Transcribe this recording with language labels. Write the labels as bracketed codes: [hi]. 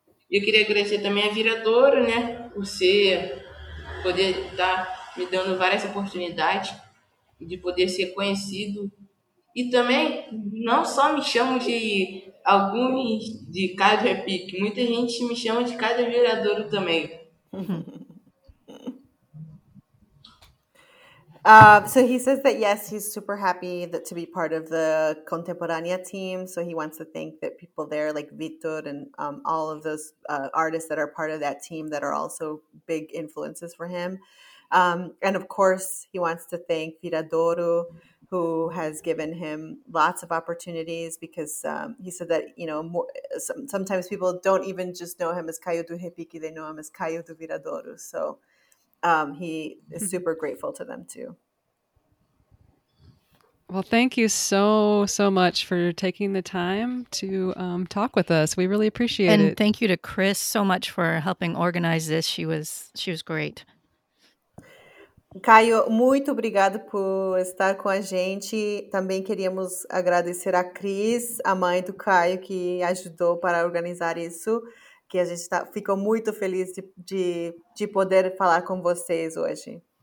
[pt] Eu queria agradecer também a Viradouro, né? Por você poder estar me dando várias oportunidades de poder ser conhecido. E também, não só me chamo de alguns de Caio Repique, muita gente me chama de Caio Viradouro também. [en] So he says that, yes, he's super happy to be part of the Contemporânea team. So he wants to thank the people there, like Vitor and all of those artists that are part of that team that are also big influences for him. And of course, he wants to thank Viradouro, who has given him lots of opportunities, because he said that, you know, sometimes people don't even just know him as Caio do Repique, they know him as Caio do Viradouro. So he is super grateful to them too. Well, thank you so, so much for taking the time to talk with us. We really appreciate it. And thank you to Chris so much for helping organize this. She was great. [pt] Caio, muito obrigado por estar com a gente. Também queríamos agradecer a Cris, a mãe do Caio, que ajudou para organizar isso, que a gente ficou muito feliz de poder falar com vocês hoje.